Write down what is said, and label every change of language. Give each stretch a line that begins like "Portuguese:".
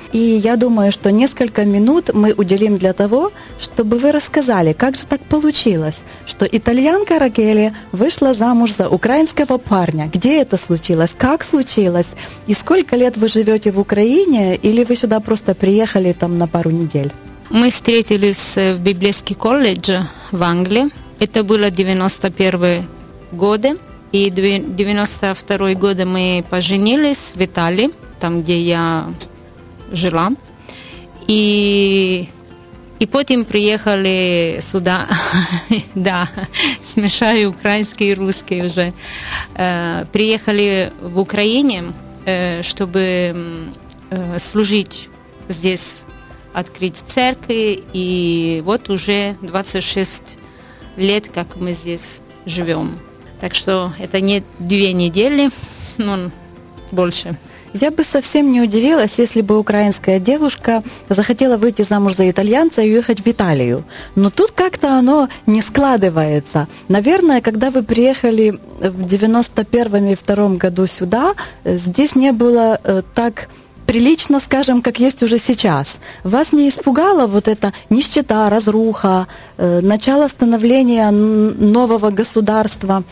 Ukrainian: І я думаю, що кілька хвилин ми уділимо для того, щоб ви розказали, як же так получилось, що італьянка Ракелі вийшла замуж за українського парня. Де це случилось? Як случилось? І скільки років ви живете в Україні? Или ви сюди просто приїхали там на пару тижнів? Ми зустрілися в біблійському коледжі в Англії. Це було 91-й год.
Russian: И 92-й год мы поженились в Италии, там, где я жила. И потом приехали сюда, да, смешаю украинский и русский уже. Приехали в Украине, чтобы служить здесь, открыть церковь. И вот уже 26 лет, как мы здесь живем.
Ukrainian: Так що це не дві тижні, ну, більше. Я би зовсім не удивилась, якщо б українська дівчинка захотіла вийти замуж за італійця і їхати в Італію. Ну тут як-то воно не складається. Наверное, коли ви приїхали в 91-му і 92-му году сюди, здесь не було так прилично,
Russian: скажем, как есть уже сейчас. Вас не испугала вот эта нищета, разруха, начало становления нового государства?